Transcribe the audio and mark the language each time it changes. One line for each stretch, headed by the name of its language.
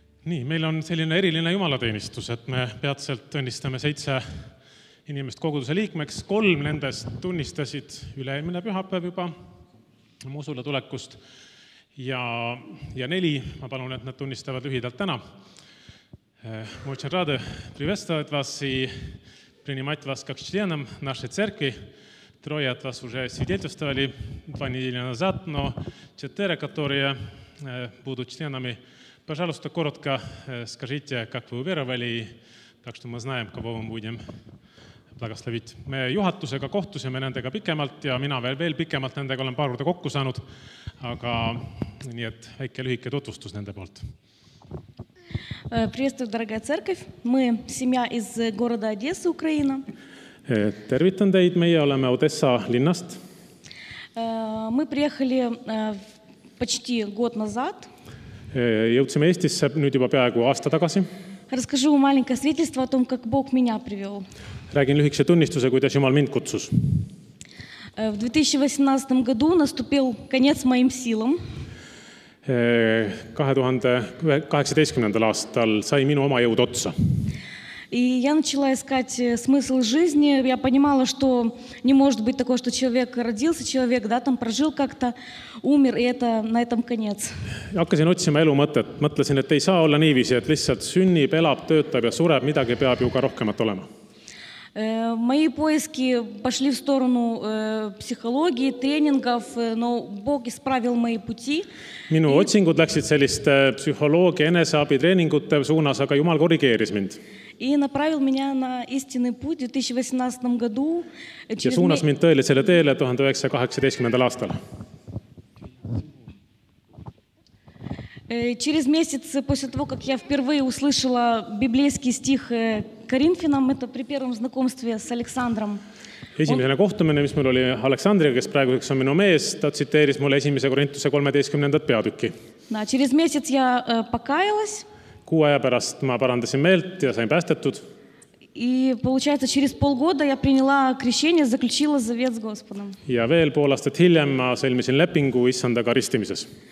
Estonian: Nii, meil on selline eriline jumalateenistus, et me peatselt tunnistame 7 inimest koguduse liikmeks. 3 nendest tunnistasid üleeelmine pühapäev juba Mosule tulekust ja 4, ma palun, et nad tunnistavad lühidalt täna.
Russian: Очень рады приветствовать вас и принимать вас как членом нашей церкви. Трое от вас уже свидетельствовали 2 недели назад, но 4, которые будут членами, пожалуйста, коротко скажите, как вы уверовали, так что мы знаем, кого мы будем благословить.
Estonian: Me juhatusega kohtusime nendega pikemalt ja mina veel pikemalt nendega olen paar korda kokku saanud, aga nii et väike lühike tutvustus nende poolt.
Russian: Приветствую, дорогая церковь. Мы семья из города Одессы, Украина.
Estonian: Tervitan teid, meie oleme Odessa linnast.
Russian: Мы приехали почти год назад.
Estonian: Jõudsime Eestisse nüüd juba peaaegu aasta tagasi.
Russian: Расскажу маленькое свидетельство о том, как Бог меня привел.
Estonian: Räägin lühikese tunnistuse, kuidas Jumal mind kutsus.
Russian: В 2018 году наступил конец моим силам.
Estonian: 2018. Aastal sai minu oma jõud otsa.
Russian: И я начала искать смысл жизни. Я понимала, что не может быть такое, что человек родился, человек, да, там прожил как-то, умер, и это на этом конец.
Estonian: Hakkasin otsima elu mõtet. Mõtlesin, et ei saa olla niiviisi, et lihtsalt sünnib, elab, töötab ja sureb, midagi peab ju ka rohkemat olema.
Russian: Мои поиски пошли в сторону психологии, тренингов, но Бог исправил мои пути.
Estonian: Minu otsingud läksid sellist psühholoogi, eneseabi, treeningute suunas, aga Jumal korrigeeris mind.
Russian: И направил меня на истинный путь в 2018 году.
Estonian: Ja suunas mind tõelisele teele 1918. Aastal.
Russian: Через месяц после того, как я впервые услышала библейский стих Коринфянам, это при первом знакомстве с Александром.
Estonian: Esimene kohtumine, mis mul oli Aleksandriga, kes praeguseks on minu mees, ta tsiteeris mulle esimese Korintuse 13. Peatükki.
Russian: No, через месяц я покаялась.
Estonian: 6 aja pärast ma parandasin meelt ja sain päästetud.
Russian: И получается, через полгода я приняла крещение, заключила завет с Господом.
Estonian: Ja veel pool aastat hiljem ma sõlmisin lepingu Issandaga ristimises.